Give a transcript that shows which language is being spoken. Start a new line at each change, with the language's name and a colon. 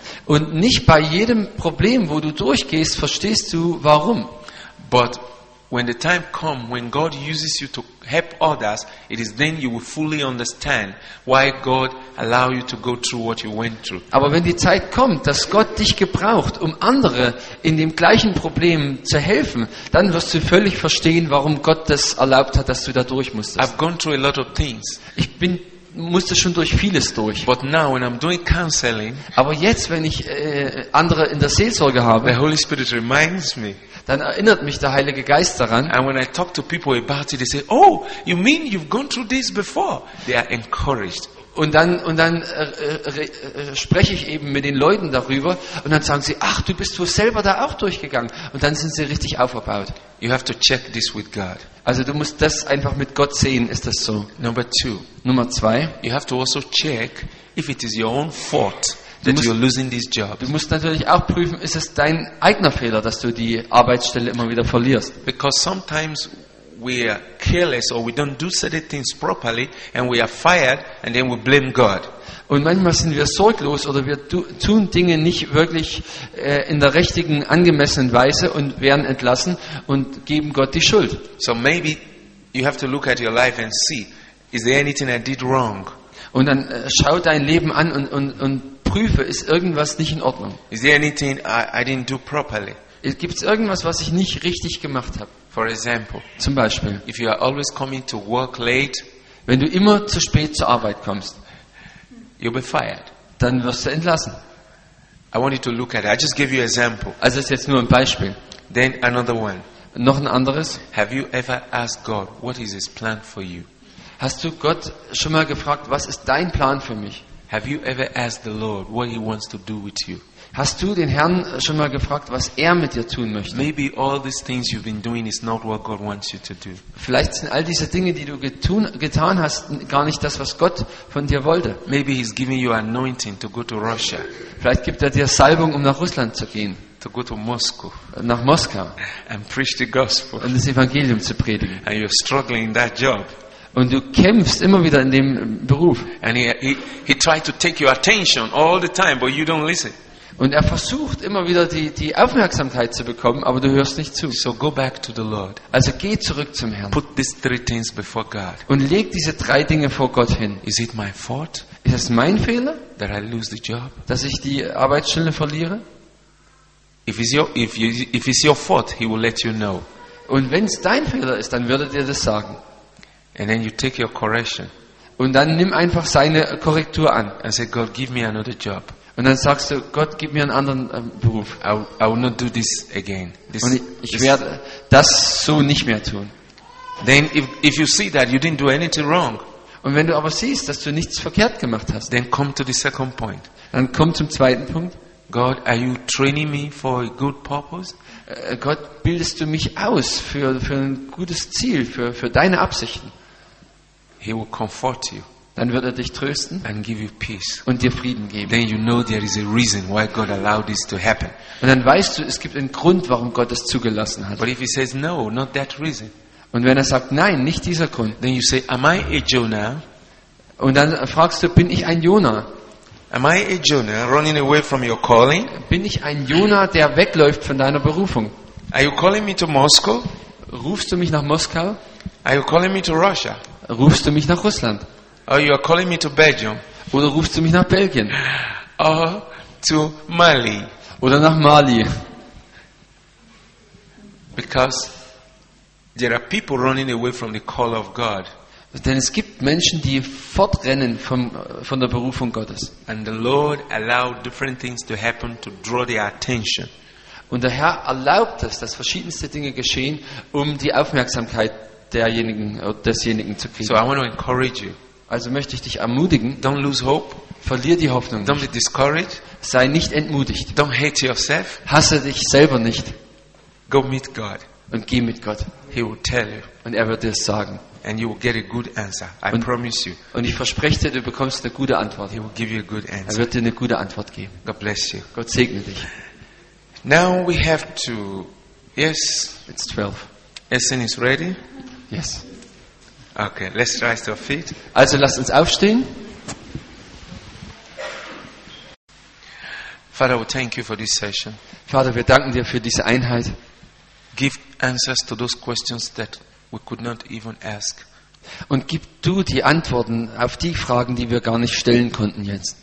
German: Und nicht bei jedem Problem, wo du durchgehst, verstehst du warum.
English: But when the time comes when God uses you to help others, it is then you will fully understand why God allow you to go through what you went through.
German: Aber wenn die Zeit kommt, dass Gott dich gebraucht, um andere in dem gleichen Problem zu helfen, dann wirst du völlig verstehen, warum Gott das erlaubt hat, dass du da durch musstest.
English: I've gone through a lot of things.
German: Ich bin musste schon durch vieles durch.
English: But now, when I'm doing counseling,
German: aber jetzt, wenn ich andere in der Seelsorge habe,
English: the Holy Spirit reminds me,
German: dann erinnert mich der Heilige Geist daran.
English: And when I talk to people about it, they say, "Oh, you mean you've gone through this before?" They are encouraged.
German: Und dann spreche ich eben mit den Leuten darüber und dann sagen sie, ach, du bist wohl selber da auch durchgegangen. Und dann sind sie richtig aufgebaut.
English: You have to check this with God.
German: Also du musst das einfach mit Gott sehen, ist das so?
English: Number two.
German: Nummer zwei.
English: You have to also check if it is your own fault that you're losing this job.
German: Du musst natürlich auch prüfen, ist es dein eigener Fehler, dass du die Arbeitsstelle immer wieder verlierst.
English: Because sometimes we are careless or we don't do certain things properly and we are fired and then we blame God.
German: Und manchmal sind wir sorglos oder wir tun Dinge nicht wirklich in der richtigen angemessenen Weise und werden entlassen und geben Gott die Schuld.
English: So maybe you have to look at your life and see, is there anything I did wrong?
German: Und dann schau dein Leben an und prüfe, ist irgendwas nicht in Ordnung?
English: Is there anything I didn't do properly?
German: Gibt es irgendwas, was ich nicht richtig gemacht habe?
English: For example,
German: zum Beispiel,
English: if you are always coming to work late,
German: wenn du immer zu spät zur Arbeit kommst,
English: you'll be fired.
German: Dann wirst du entlassen.
English: I want you to look at it. I just gave you an example.
German: Also ist jetzt nur ein Beispiel.
English: Then another one.
German: Noch ein anderes.
English: Have you ever asked God what is His plan for you?
German: Hast du Gott schon mal gefragt, was ist dein Plan für mich?
English: Have you ever asked the Lord what He wants to do with you?
German: Hast du den Herrn schon mal gefragt, was er mit dir tun möchte?
English: Maybe all these things you've been doing is not what God wants you to do.
German: Vielleicht sind all diese Dinge, die du getan hast, gar nicht das, was Gott von dir wollte.
English: Maybe He's giving you anointing to go to Russia.
German: Vielleicht gibt er dir Salbung, um nach Russland zu gehen.
English: To go to Moscow.
German: Nach Moskau.
English: And preach the gospel.
German: Und das Evangelium zu predigen.
English: And you're struggling in that job.
German: Und du kämpfst immer wieder in dem Beruf.
English: And he tried to take your attention all the time, but you don't listen.
German: Und er versucht immer wieder die Aufmerksamkeit zu bekommen, aber du hörst nicht zu.
English: So go back to the Lord.
German: Also geh zurück zum Herrn.
English: Put these three things before God.
German: Und leg diese drei Dinge vor Gott hin.
English: Is it my fault?
German: Ist es mein Fehler?
English: That I lose the job?
German: Dass ich die Arbeitsstelle verliere?
English: If it's your fault, he will let you know.
German: Und wenn es dein Fehler ist, dann wird er dir das sagen.
English: And then you take your correction.
German: Und dann nimm einfach seine Korrektur an.
English: And say, God, give me another job.
German: Und dann sagst du, Gott, gib mir einen anderen Beruf.
English: I will not do this again.
German: Und ich werde das so nicht mehr tun.
English: Then if you see that you didn't do anything wrong.
German: Und wenn du aber siehst, dass du nichts verkehrt gemacht hast,
English: then come to the second point.
German: Dann komm zum zweiten Punkt.
English: God, are you training me for a good purpose?
German: Gott, bildest du mich aus für ein gutes Ziel, für deine Absichten?
English: He will comfort you.
German: Dann wird er dich trösten
English: and give you peace.
German: Und dir Frieden geben.
English: Then you know there is a reason why God allowed this to happen.
German: Und dann weißt du, es gibt einen Grund, warum Gott das zugelassen hat.
English: But if he says no, not that reason.
German: Und wenn er sagt, nein, nicht dieser Grund,
English: then you say, am I a Jonah?
German: Und dann fragst du, bin ich ein Jonah?
English: Am I a Jonah running away from your calling?
German: Bin ich ein Jonah, der wegläuft von deiner Berufung?
English: Are you calling me to Moscow?
German: Rufst du mich nach Moskau?
English: Are you calling me to Russia?
German: Rufst du mich nach Russland?
English: Or you are calling me to Belgium?
German: Oder rufst du mich nach Belgien?
English: Or to Mali?
German: Oder nach Mali?
English: Because there are people running away from the call of God.
German: Denn es gibt Menschen, die fortrennen von der Berufung Gottes.
English: And the Lord allowed different things to happen to draw their attention.
German: Und der Herr erlaubt es, dass verschiedenste Dinge geschehen, um die Aufmerksamkeit derjenigen oder desjenigen zu kriegen.
English: So I want to encourage you.
German: Also möchte ich dich ermutigen.
English: Don't lose hope.
German: Verlier die Hoffnung nicht.
English: Don't be discouraged.
German: Sei nicht entmutigt.
English: Don't hate yourself.
German: Hasse dich selber nicht.
English: Go meet God.
German: Und geh mit Gott.
English: He will tell you.
German: Und er wird dir es sagen.
English: And you will get a good answer. I promise you.
German: Und ich verspreche dir, du bekommst eine gute Antwort.
English: He will give you a good answer.
German: Er wird dir eine gute Antwort geben.
English: God bless you.
German: Gott segne dich.
English: Now we have to. Yes. It's 12. Essen is ready. Yes. Okay. Let's rise to our feet.
German: Also lasst uns aufstehen.
English: Father, we thank you for this session.
German: Vater, wir danken dir für diese Einheit.
English: Give answers to those questions that we could not even ask.
German: Und gib du die Antworten auf die Fragen, die wir gar nicht stellen konnten jetzt.